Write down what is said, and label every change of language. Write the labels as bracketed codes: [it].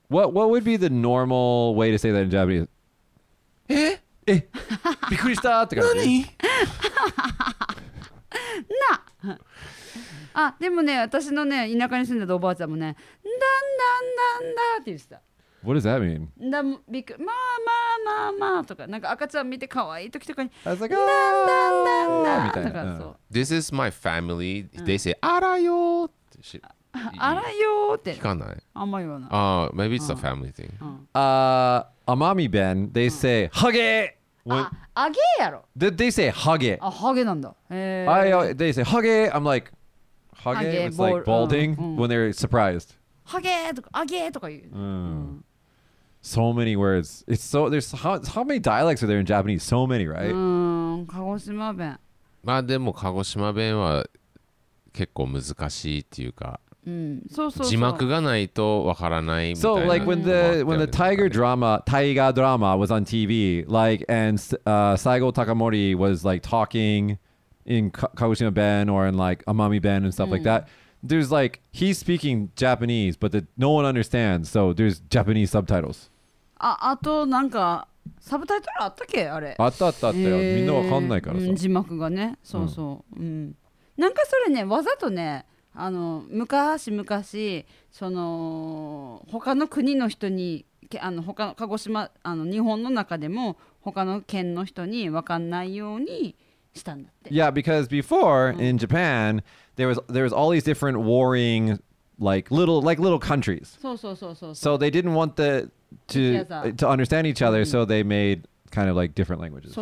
[en] What would be the normal way to say that in Japanese? [ja] え？え？びっくりしたって感じ。何？ [en] Nah. [ja] あ、でもね、私のね、田舎に住んでたおばあちゃんもね、なんだんだんだって言ってた。 [en] What does that mean? [ja] なんびくまあまあまあまあとかなんか赤ちゃん見て可愛い時とかに。 [en] I was like, oh! [ja] なんだんだんだみたいな。 [en] This is my family. They say [ja] あらよーってし。あらよーって。聞かない。あんま言わない。 [en] Maybe it's a family thing. アマミ弁 they say ハゲ。 [ja] あげやろ。 [en] They say ハゲ。 [ja] あハゲなんだ。 [en] They say ハゲ。I'm like ハゲ。 It's like balding when they're surprised. [ja] ハゲーとかあげーとか言う。 [en] うん。So many words. It's so there's how many dialects are there in Japanese? So many, right? [ja] うん、鹿児島弁。まあでも鹿児島弁は結構難しいっていうか。うん、そうそうそう。字幕がないとわからないみたいな。 [en] So like when the Tiger drama, Taiga drama was on TV, like and Saigo Takamori was like talking in 鹿児島弁 or in like Amami 弁 and stuff like that. There's like, he's speaking Japanese, but no one understands, so there's Japanese subtitles. [ja] あとなんか、サブタイトルあったっけあれ。あったあったあったよ。みんなわかんないからさ。字幕がね、そうそう。なんかそれね、わざとね、あの、昔、その、他の国の人に、あの、他の、鹿児島、あの、日本の中でも、他の県の人にわかんないように、 [en] Yeah, because before in Japan, there was all these different warring, like little countries. So they didn't want to understand each other, so they made kind of like different languages.